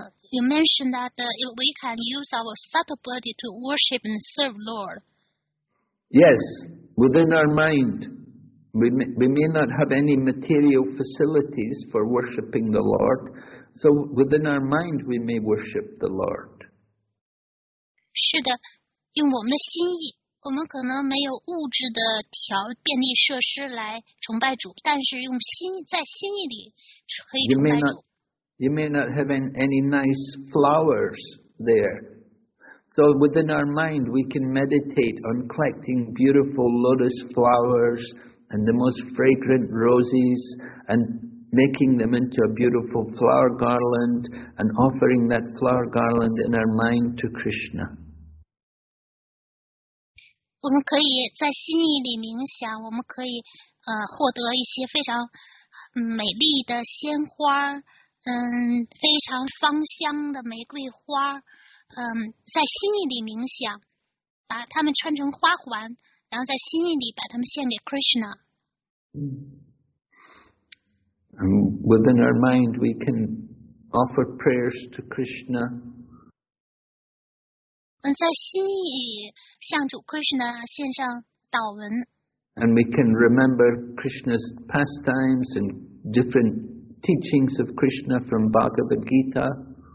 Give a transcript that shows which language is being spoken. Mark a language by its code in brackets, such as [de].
[en] You mentioned that we can use our subtle body to worship and serve Lord. Yes, within our mind, we may not have any material facilities for worshiping the Lord, so within our mind we may worship the Lord. [zh] 是的，用我们的心意，我们可能没有物质的便利设施来崇拜主，但是用心在心意里可以崇拜主。 [en] You may not have any nice flowers there. So within our mind, we can meditate on collecting beautiful lotus flowers and the most fragrant roses and making them into a beautiful flower garland and offering that flower garland in our mind to Krishna. [zh] 我们可以在心意里冥想，我们可以获得一些非常美丽的鲜花，非常芳香的玫瑰花，在心意里冥想，把它们穿成花环，然后在心意里把它们献给 Krishna。 [en] Within our mind, we can offer prayers to Krishna. [zh] 在心意向主 Krishna 献上祷文。 [en] And we can remember Krishna's pastimes and different teachings of Krishna from Bhagavad Gita.